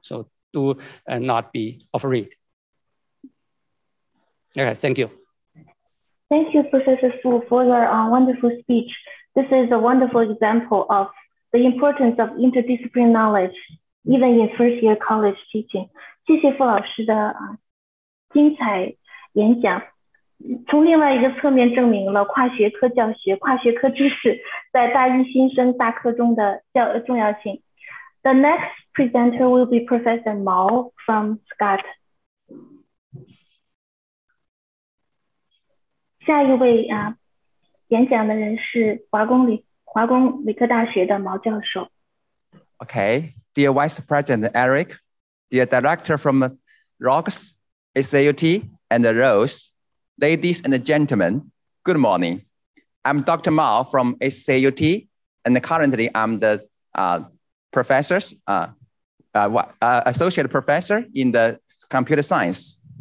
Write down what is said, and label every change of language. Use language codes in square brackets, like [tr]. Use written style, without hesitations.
[en] So do not be afraid. Okay, thank you. Thank you, Professor Fu, for your wonderful speech. This is a wonderful example of the importance of interdisciplinary knowledge, even in first year college teaching. [zh] 谢谢傅老师的精彩演讲。从另外一个侧面证明了跨学科教学、跨学科知识在大一新生大课中的重要性。 [en] The next presenter will be Professor Mao from SCUT. [zh] 下一位演讲的人是华工理科大学的毛教授。 [en] Okay. Dear Vice President Eric, dear Director from ROGS, SCUT, and Rose, ladies and gentlemen, good morning. I'm Dr. Mao from SCUT, and currently I'm the associate professor in the computer science.